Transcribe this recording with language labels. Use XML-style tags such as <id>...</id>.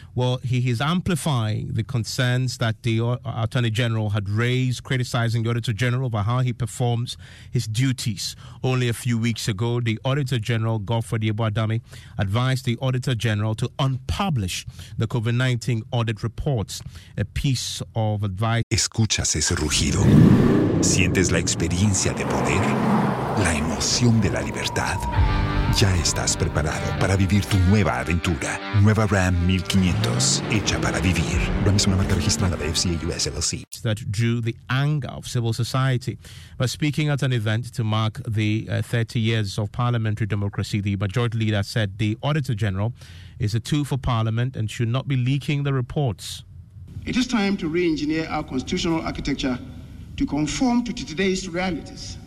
<en>Well, he is amplifying the concerns that the Attorney General had raised, criticizing the Auditor General about how he performs his duties. Only a few weeks ago, the Auditor General, Godfred Yeboah-Dammeh, advised the Auditor General to unpublish the COVID-19 audit reports. A piece of advice.</en> <es>¿Escuchas ese rugido? ¿Sientes la experiencia de poder? la emoción de la libertad. Ya estás preparado para vivir tu nueva aventura. Nueva Ram 1500, hecha para vivir. Ram es una marca registrada de FCA US LLC.</es> <en>That drew the anger of civil society. But speaking at an event to mark the 30 years of parliamentary democracy, the majority leader said the Auditor General is a tool for parliament and should not be leaking the reports. It is time to re-engineer our constitutional architecture to conform to today's realities.</en>